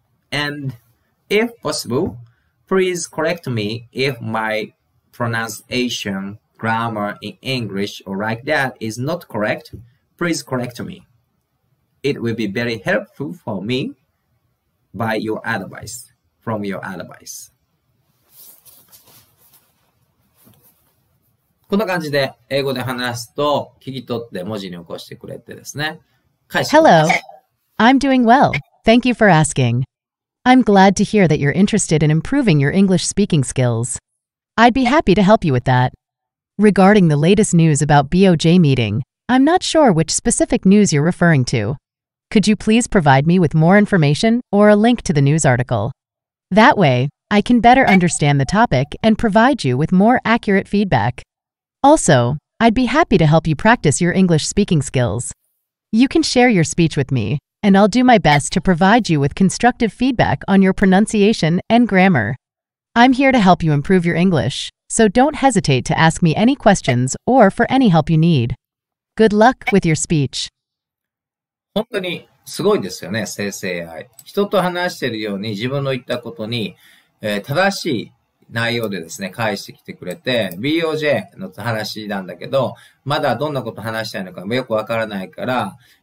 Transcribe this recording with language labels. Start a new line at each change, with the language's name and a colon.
English: And if possible, please correct me if my pronunciation, grammar in English or like that is not correct. Please correct me. It will be very helpful for me by your advice, from your advice.
Japanese: こんな感じで英語で話すと聞き取って文字に起こしてくれてですね。
English: Hello, I'm doing well. Thank you for asking. I'm glad to hear that you're interested in improving your English speaking skills. I'd be happy to help you with that. Regarding the latest news about BOJ meeting, I'm not sure which specific news you're referring to. Could you please provide me with more information or a link to the news article? That way, I can better understand the topic and provide you with more accurate feedback. Also, I'd be happy to help you practice your English speaking skills. You can share your speech with me, and I'll do my best to provide you with constructive feedback on your pronunciation and grammar. I'm here to help you improve your English, so don't hesitate to ask me any questions or for any help you need. Good luck with your speech.
Japanese: 本当にすごいですよね、生成 AI。人と話しているように自分の言ったことに、正しい内容でですね、返してきてくれて、BOJ の話なんだけど、まだどんなこと話したいのかもよくわからないから、